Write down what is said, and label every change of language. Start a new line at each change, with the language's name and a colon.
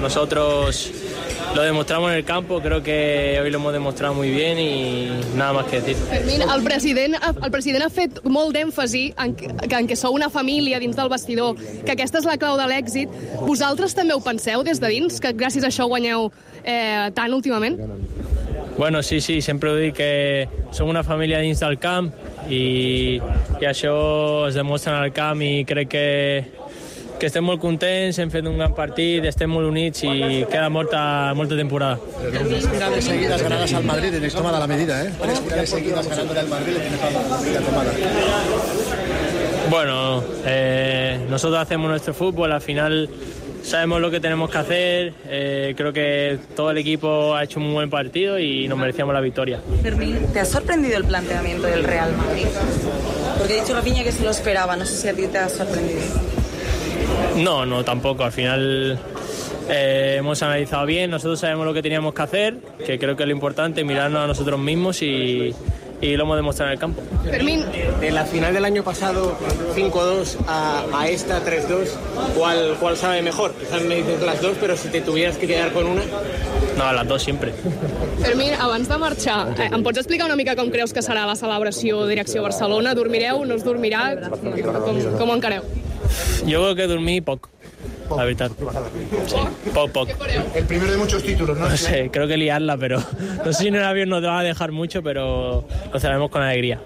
Spanish: Nosotros lo demostramos en el campo, creo que hoy lo hemos demostrado muy bien y nada más que decir.
Catalan: Fermín, el president ha fet molt d'èmfasi en que sou una família dins del vestidor, que aquesta és la clau de l'èxit. Vosaltres també ho penseu des de dins, que gràcies a això guanyeu tant últimament? Bueno, sí, sempre ho dic, que som una família dins del camp i això es demostra en el camp i crec que estem molt contents, hem fet un gran partit, estem molt units i queda molta temporada. Tres seguides ganades
Spanish: al Madrid, tenéis tomada la medida, ¿eh?
Catalan: Tres seguides
Spanish: ganando al Madrid, tenéis la tomada. Bueno, nosotros hacemos nuestro fútbol, al final sabemos lo que tenemos que hacer, creo que todo el equipo ha hecho un buen partido y nos merecíamos la victoria. Fermín, ¿te ha sorprendido el planteamiento del Real Madrid? Porque ha dicho Rafinha que se lo esperaba, no sé si a ti te ha sorprendido. No, tampoco. Al final hemos analizado bien, nosotros sabemos lo que teníamos que hacer, que creo que es lo importante, mirarnos a nosotros mismos y lo hemos demostrado en el campo. Fermín, de la final del año pasado, 5-2, a esta 3-2, ¿cuál sabe mejor? Quizás me dices las dos, pero si te tuvieras que quedar con una... No, las dos siempre.
Catalan: Fermín, abans de marxar, em pots explicar una mica com creus que serà la celebració direcció Barcelona? Dormireu, no es dormirà? Com ho encareu?
Spanish: Yo creo que dormí poco, la verdad. Sí, poco. El primero de muchos títulos, ¿no? No sé, creo que liarla, pero no sé si en el avión nos va a dejar mucho, pero lo celebramos con alegría.